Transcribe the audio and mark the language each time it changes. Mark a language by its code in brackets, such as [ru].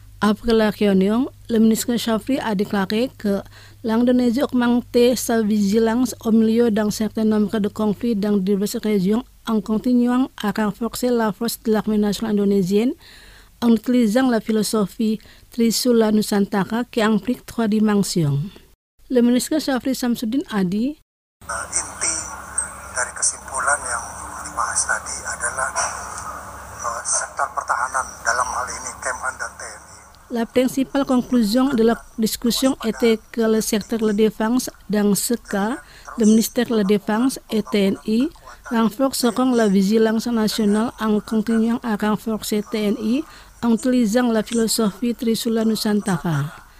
[fr] Après la réunion, le ministre Syafri a déclaré que l'Indonésie augmentait sa vigilance au milieu d'un certain nombre de conflits dans diverses régions en continuant à renforcer la force de l'armée nationale indonésienne en utilisant la philosophie Trisula Nusantara qui implique trois dimensions. Le ministre Syafri Samsudin a dit: [id] Inti dari kesimpulan yang dibahas tadi adalah sektor pertahanan dalam hal ini Kemhan dan TNI. [fr] La principale conclusion de la discussion était que le secteur de la défense, dans ce cas, le ministère de la défense et TNI, renforceront la vigilance nationale en continuant à renforcer TNI en utilisant la philosophie Trisula Nusantara.